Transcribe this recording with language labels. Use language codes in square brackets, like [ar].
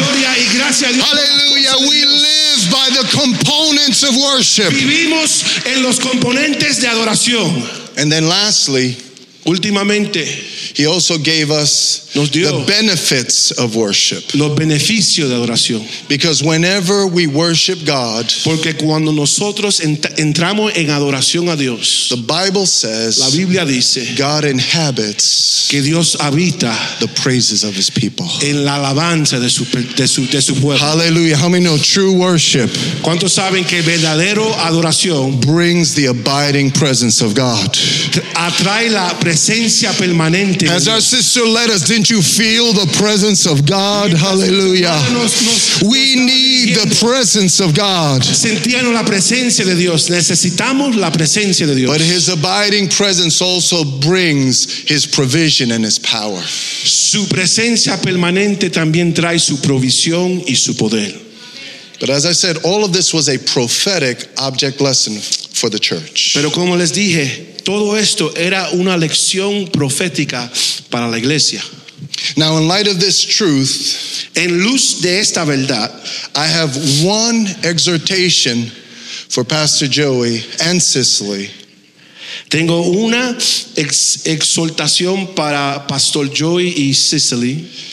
[en] Hallelujah. We live by the components of worship. [es] Vivimos en los componentes de adoración. [en] And then lastly, [es] últimamente, [en] He also gave us the benefits of worship. [es] Los beneficios de adoración. [en] Because whenever we worship God, [es] porque cuando nosotros entramos en adoración a Dios, [en] the Bible says, [es] la Biblia dice, [en] God inhabits [es] que Dios habita [en] the praises of His people. [es] En la alabanza de su pueblo. [en] Hallelujah. How many know true worship? [es] ¿Cuántos saben que verdadero adoración [en] brings the abiding presence of God? [es] Atrae la presencia presencia permanente. [en] As our sister led us, didn't you feel the presence of God? Hallelujah. We need the presence of God. [es] Sentíamos la presencia de Dios. Necesitamos la presencia de Dios. [en] But His abiding presence also brings His provision and His power. [es] Su presencia permanente también trae su provisión y su poder. [en] But as I said, all of this was a prophetic object lesson for the church. [es] Pero como les dije, todo esto era una lección profética para la iglesia. [en] Now, in light of this truth, [es] en luz de esta verdad, [en] I have one exhortation for Pastor Joey and Cicely. [es] Tengo una exhortación para Pastor Joey y Cicely.